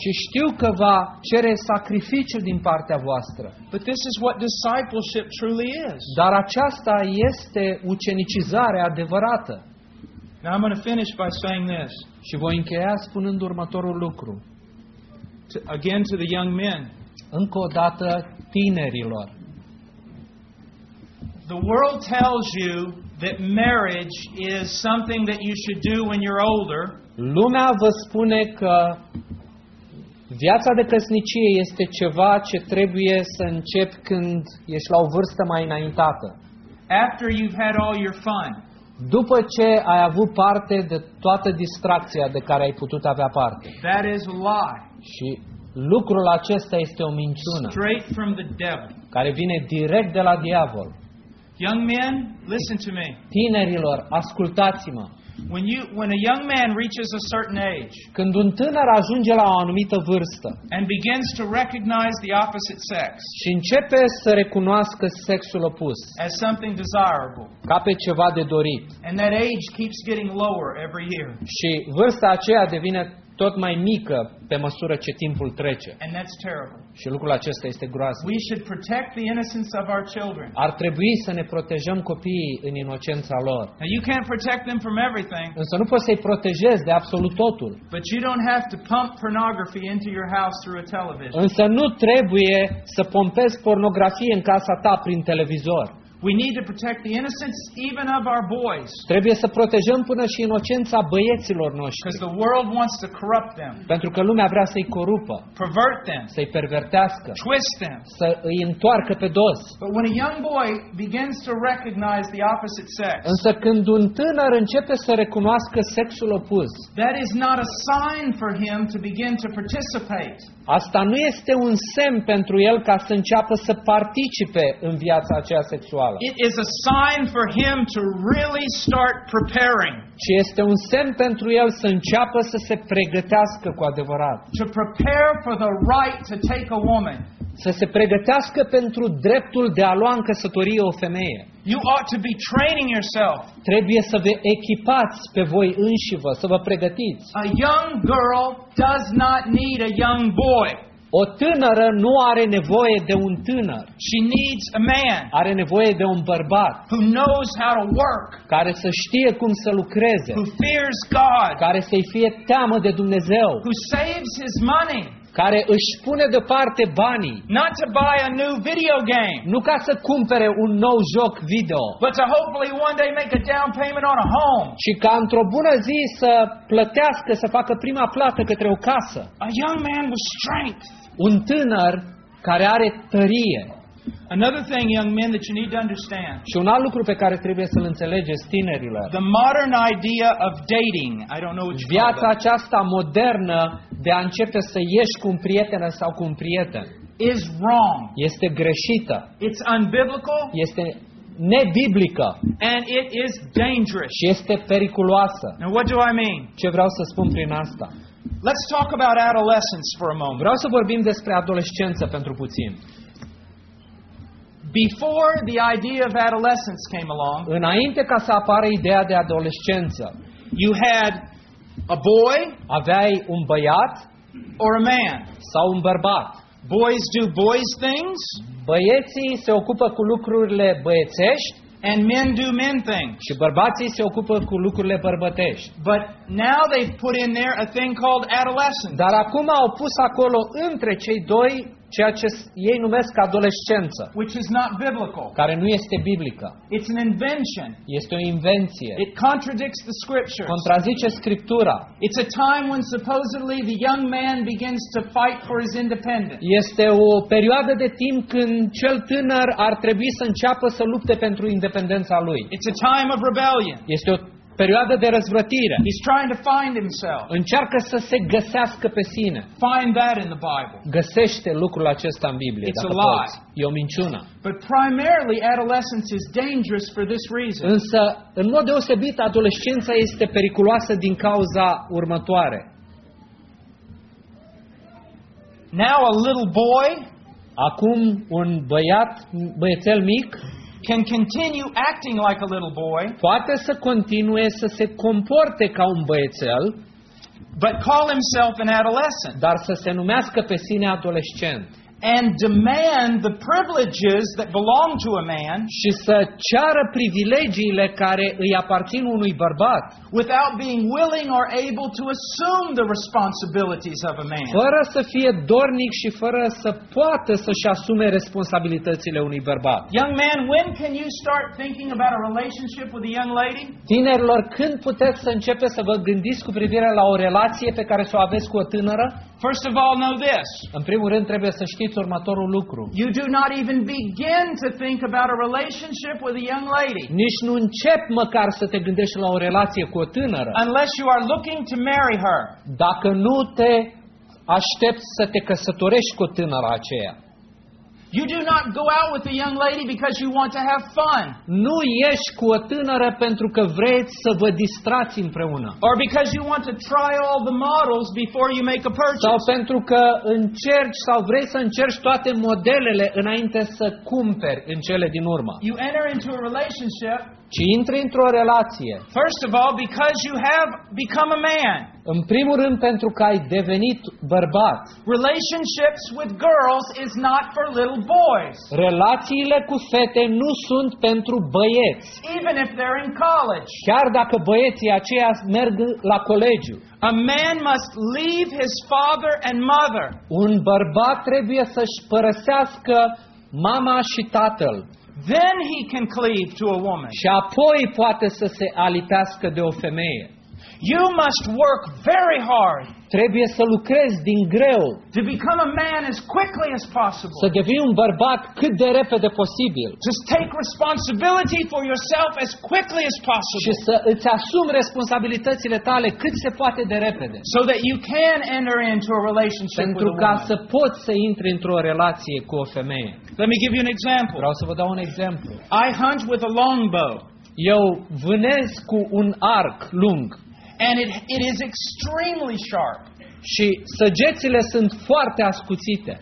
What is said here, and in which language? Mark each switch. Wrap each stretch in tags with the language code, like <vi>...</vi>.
<ro>Și știu că va cere sacrificiu din partea voastră.</ro> <en>But this is what discipleship truly is.</en> <ro>Dar aceasta este ucenicizarea adevărată.</ro> <en>Now I'm going to finish by saying this.</en> <ro>Și voi încheia spunând următorul lucru.</ro> <en>Again to the young men.</en> <ro>Încă o dată tinerilor.</ro> <en>The world tells you that marriage is something that you should do when you're older.</en> <ro>Lumea vă spune că viața de căsnicie este ceva ce trebuie să începi când ești la o vârstă mai înaintată.</ro> <en>After you've had all your fun.</en> <ro>După ce ai avut parte de toată distracția de care ai putut avea parte.</ro> <en>That is a lie.</en> <ro>Și lucrul acesta este o minciună.</ro> <en>Straight from the devil.</en> <ro>Care vine direct de la diavol.</ro> <en>Young men, listen to me.</en> <ro>Tinerilor, ascultați-mă.</ro> <en>When a young man reaches a certain age.</en> <ro>Când un tânăr ajunge la o anumită vârstă.</ro> <en>And begins to recognize the opposite sex.</en> <ro>Și începe să recunoască sexul opus.</ro> <en>As something desirable.</en> <ro>Ca pe ceva de dorit.</ro> <en>And that age keeps getting lower every year.</en> <ro>Și vârsta aceea devine tot mai mică pe măsură ce timpul trece.</ro> <en>And that's terrible.</en> <ro>Și lucrul acesta este groaznic.</ro> <en>We should protect the innocence of our children.</en> <ro>Ar trebui să ne protejăm copiii în inocența lor.</ro> <en>Now you can't protect them from everything.</en> <ro>Însă nu poți să-i protejezi de absolut totul.</ro> <en>But you don't have to pump pornography into your house through a television.</en> <ro>Însă nu trebuie să pompezi pornografie în casa ta prin televizor.</ro> <en>We need to protect the innocence even of our boys.</en> <ro>Trebuie să protejăm până și inocența băieților noștri.</ro> <en>Because the world wants to corrupt them.</en> <ro>Pentru că lumea vrea să-i corupă.</ro> <en>Pervert them.</en> <ro>Să-i pervertească.</ro> <en>Twist them.</en> <ro>Să îi întoarcă pe dos.</ro> <en>But when a young boy begins to recognize the opposite sex.</en> <ro>Însă când un tânăr începe să recunoască sexul opus.</ro> <en>That is not a sign for him to begin to participate.</en> <ro>Asta nu este un semn pentru el ca să înceapă să participe în viața aceea sexuală.</ro> <en>It is a sign for him to really start preparing.</en> <ro>Ci este un semn pentru el să înceapă să se pregătească cu adevărat.</ro> <en>To prepare for the right to take a woman.</en> <ro>Să se pregătească pentru dreptul de a lua în căsătorie o femeie.</ro> <en>You ought to be training yourself.</en> <ro>Trebuie să vă echipați pe voi înșivă, să vă pregătiți.</ro> <en>A young girl does not need a young boy.</en> <ro>O tânără nu are nevoie de un tânăr.</ro> <en>She needs a man.</en> <ro>Are nevoie de un bărbat.</ro> <en>Who knows how to work.</en> <ro>Care să știe cum să lucreze.</ro> <en>Who fears God.</en> <ro>Care să-i fie teamă de Dumnezeu.</ro> <en>Who saves his money.</en> <ro>care își pune deoparte banii.</ro> <en>Not to buy a new video game.</en> <ro>Nu ca să cumpere un nou joc video.</ro> <en>But to hopefully one day make a down payment on a home.</en> <ro>Și ca într-o bună zi să plătească, să facă prima plată către o casă.</ro> <en>A young man with strength.</en> <ro>Un tânăr care are tărie.</ro> <en>Another thing, young men, that you need to understand.</en> <ro>Și un alt lucru pe care trebuie să-l înțelegeți, tinerilor.</ro> <en>The modern idea of dating. I don't know what you call it.</en> <ro>Viața aceasta modernă de a începe să ieși cu un prieten sau cu un prieten.</ro> <en>Is wrong.</en> <ro>Este greșită.</ro> <en>It's unbiblical.</en> <ro>Este nebiblică.</ro> <en>And it is dangerous.</en> <ro>Și este periculoasă.</ro> <en>Now what do I mean?</en> <ro>Ce vreau să spun prin asta?</ro> <en>Let's talk about adolescence for a moment.</en> <ro>Vreau să vorbim despre adolescență pentru puțin.</ro> <en>Before the idea of adolescence came along,</en> <ro>înainte ca să apară ideea de adolescență,</ro> <en>you had a boy,</en> <ro>aveai un băiat,</ro> <en>or a man,</en> <ro>sau un bărbat.</ro> <en>Boys do boys things,</en> <ro>băieții se ocupă cu lucrurile băiețești,</ro> <en>and men do men things,</en> <ro>și bărbații se ocupă cu lucrurile bărbătești.</ro> <en>But now they've put in there a thing called adolescence.</en> <ro>Dar acum au pus acolo între cei doi ceea ce ei numesc adolescență,</ro> <en>which is not biblical,</en> <ro>care nu este biblică.</ro> <en>It's an invention.</en> <ro>Este o invenție.</ro> <en>It contradicts the scriptures.</en> <ro>Contrazice scriptura.</ro> <en>It's a time when supposedly the young man begins to fight for his independence.</en> <ro>Este o perioadă de timp când cel tânăr ar trebui să înceapă să lupte pentru independența lui.</ro> <en>It's a time of rebellion.</en> <ro>Este o perioadă de răzvrătire.</ro> <en>He's trying to find himself.</en> <ro>Încearcă să se găsească pe sine.</ro> <en>Find that in the Bible.</en> <ro>Găsește lucrul acesta în Biblie.</ro> <en>It's a lie.</en> <ro>E o minciună.</ro> <en>But primarily adolescence is dangerous for this reason.</en> <ro>Însă, în mod deosebit, adolescența este periculoasă din cauza următoare.</ro> <en>Now a little boy,</en> <ro>acum un băiat, băiețel mic,</ro> <en>can continue acting like a little boy,</en> <ro>poate să continue să se comporte ca un băiețel,</ro> <en>but call himself an adolescent,</en> <ro>dar să se numească pe sine adolescent,</ro> <en>and demand the privileges that belong to a man,</en> <ro>și să ceară privilegiile care îi aparțin unui bărbat,</ro> <en>without being willing or able to assume the responsibilities of a man,</en> <ro>fără să fie dornic și fără să poată să-și asume responsabilitățile unui bărbat.</ro> <en>Young man, when can you start thinking about a relationship with a young lady?</en> <ro>Tinerilor, când puteți să începeți să vă gândiți cu privire la o relație pe care să o aveți cu o tânără?</ro> <en>First of all, know this.</en> <ro>În primul rând, trebuie să știți următorul lucru.</ro> <en>You do not even begin to think about a relationship with a young lady.</en> <ro>Nici nu încep măcar să te gândești la o relație cu o tânără.</ro> <en>Unless you are looking to marry her.</en> <ro>Dacă nu te aștepți să te căsătorești cu tânăra aceea.</ro> <en>You do not go out with a young lady because you want to have fun.</en> <ro>Nu ieși cu o tânără pentru că vrei să vă distrați împreună.</ro> <en>Or because you want to try all the models before you make a purchase.</en> <ro>Sau pentru că încerci sau vrei să încerci toate modelele înainte să cumperi în cele din urmă.</ro> <en>You enter into a relationship.</en> <ro>Ci intri într-o relație.</ro> <en>First of all, because you have become a man.</en> <ro>În primul rând pentru că ai devenit bărbat.</ro> <en>Relationships with girls is not for little boys.</en> <ro>Relațiile cu fete nu sunt pentru băieți.</ro> <en>Even if they're in college.</en> <ro>Chiar dacă băieții aceia merg la colegiu.</ro> <en>A man must leave his father and mother.</en> <ro>Un bărbat trebuie să-și părăsească mama și tatăl.</ro> <en>Then he can cleave to a woman.</en> <ro>Și apoi poate să se alipească de o femeie.</ro> <en>You must work very hard.</en> <ro>Trebuie să lucrezi din greu.</ro> <en>To become a man as quickly as possible.</en> <ro>Să devii un bărbat cât de repede posibil.</ro> <en>Just take responsibility for yourself as quickly as possible.</en> <ro>Și să îți asumi responsabilitățile tale cât se poate de repede.</ro> <en>So that you can enter into a relationship with a woman.</en> <ro>Pentru ca să poți să intri într-o relație cu o femeie.</ro> <en>Let me give you an example.</en> <ro>Vreau să vă dau un exemplu.</ro> <en>I hunt with a longbow.</en> <ro>Eu vânez cu un arc lung.</ro> <en>And it is extremely sharp.</en> <ro>Și săgețile sunt foarte ascuțite.</ro>